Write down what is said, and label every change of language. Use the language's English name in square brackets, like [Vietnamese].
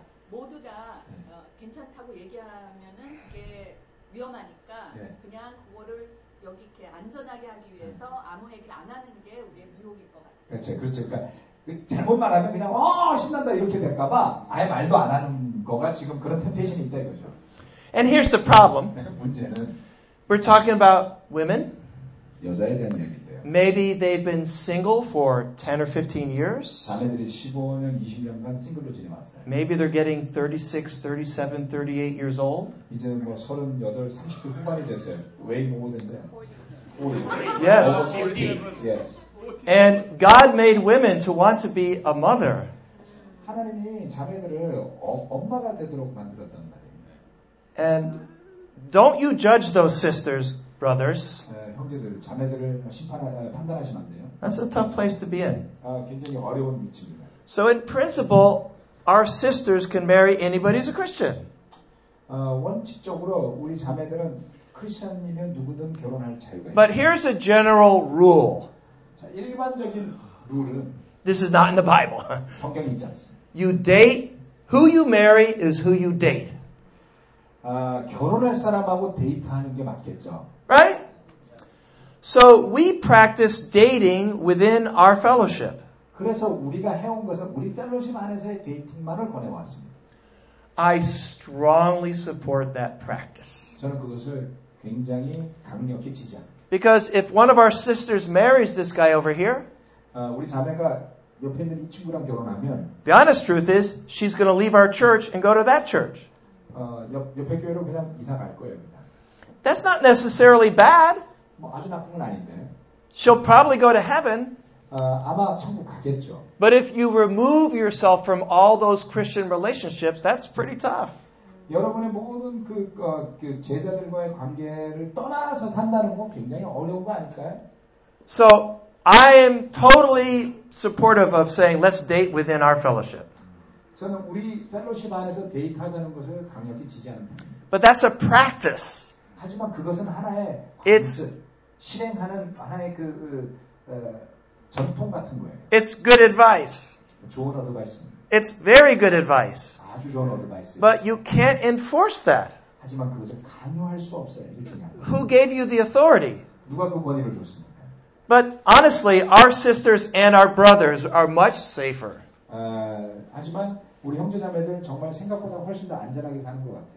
[Korean] 모두가 괜찮다고 얘기하면은 그게 위험하니까 그냥 그거를 여기 이렇게 안전하게 하기 위해서 아무 얘기를 안 하는 게 우리의 미혹일 것 같아요. 그렇죠, 그렇죠. 그러니까 잘못 말하면 그냥 신난다 이렇게 될까봐 아예 말도 안 하는 거가 지금 그런 temptation이 있다 이거죠. [English] And here's the problem. [Korean] 문제는. [English] We're talking about women. [Korean] 여자에 대한 얘기인데요. [English] Maybe they've been single for 10 or 15 years. [Korean] 자매들이 15년, 20년간 싱글로 지내왔어요. [English] Maybe they're getting 36, 37, 38 years old. [Korean] 이제 뭐 38, 30대 후반이 됐어요. 웨이 모모된데. [English] 40. Yes. Yes. And God made women to want to be a mother. [Korean] 하나님이 자매들을 엄마가 되도록 만들었단 말이에요. [English] And don't you judge those sisters, brothers. [Korean] 형제들, 자매들을 판단하시면 안 돼요. [English] That's a tough place to be in. [Korean] 굉장히 어려운 위치입니다. [English] So in principle, our sisters can marry anybody who's a Christian. [Korean] 원칙적으로 우리 자매들은 크리스천이면 누구든 결혼할 자유가 있어요. [English] But here's a general rule. [Korean] 자, 일반적인 룰은, [English] this is not in the Bible. [Korean] 성경에 있지 않습니다. [English] You date, who you marry is who you date. [Korean] 결혼할 사람하고 데이트하는 게 맞겠죠. [English] Right? So we practice dating within our fellowship. [Korean] 그래서 우리가 해온 것은 우리 펠로우십 안에서의 데이팅만을 권해왔습니다. [English] I strongly support that practice. [Korean] 저는 그것을 굉장히 강력히 지지합니다. [English] Because if one of our sisters marries this guy over here, [Korean] 우리 자매가 옆에 있는 이 친구랑 결혼하면, [English] the honest truth is, she's going to leave our church and go to that church. [Korean] 옆에 교회로 그냥 이사 갈 거예요, 그냥. [English] That's not necessarily bad. [Korean] 뭐 아주 나쁜 건 아닌데. [English] She'll probably go to heaven. [Korean] 아마 천국 가겠죠. [English] But if you remove yourself from all those Christian relationships, that's pretty tough. [Korean] 여러분의 모든 그 제자들과의 관계를 떠나서 산다는 건 굉장히 어려운 거 아닐까요? [English] So I am totally supportive of saying let's date within our fellowship. [Korean] 저는 우리 펠로우십 안에서 데이트하자는 것을 강력히 지지합니다. [English] But that's a practice. [Korean] 하지만 그것은 하나의 [English] It's [Korean] 실행하는 하나의 그 전통 같은 거예요. [English] It's good advice. [Korean] 좋은 어드바이스. [English] It's very good advice. [Korean] 아주 좋은 어드바이스. [English] But you can't enforce that. [Korean] 하지만 그것을 강요할 수 없어요. 이게 중요한 거예요. [English] Who gave you the authority? [Korean] 누가 그 권위를 줬습니까? [English] But honestly, our sisters and our brothers are much safer. [Korean] 하지만 우리 형제자매들은 정말 생각보다 훨씬 더 안전하게 사는 것 같아요.